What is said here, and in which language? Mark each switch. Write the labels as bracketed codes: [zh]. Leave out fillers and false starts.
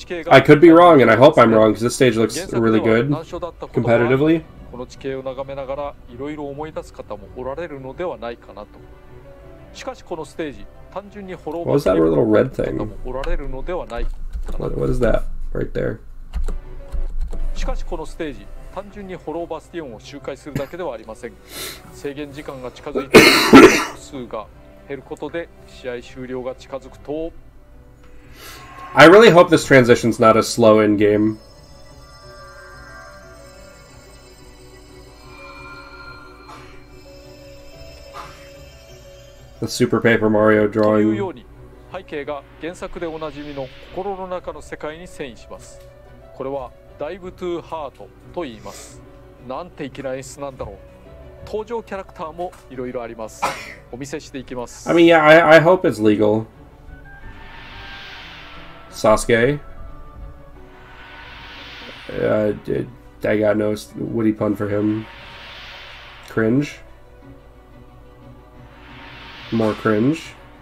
[en] I could be wrong, and I hope I'm wrong because this stage looks really good competitively. [ja] この地形を眺めながらいろいろ思い出す方もおられるのではないかなと。しかしこのステージ単純に滅ぼされる方もおられるのではない [en] What is that right there? [ja] しかしこのステージ、単純にホローバスティオンを周回するだけではありません。制限時間が近づいて、複数が減ることで試合終了が近づくと。 [en] I really hope this transition's not as slow in game. The Super Paper Mario drawing. [ja] というように背景が原作でおなじみの心の中の世界に遷移します。これはダイブトゥーハートと言います。なんて粋な演出なんだろう。登場キャラクターもいろいろあります。お見せしていきます。 [en] I mean, yeah, I hope it's legal. Sasuke. I got no witty pun for him. Cringe. More cringe.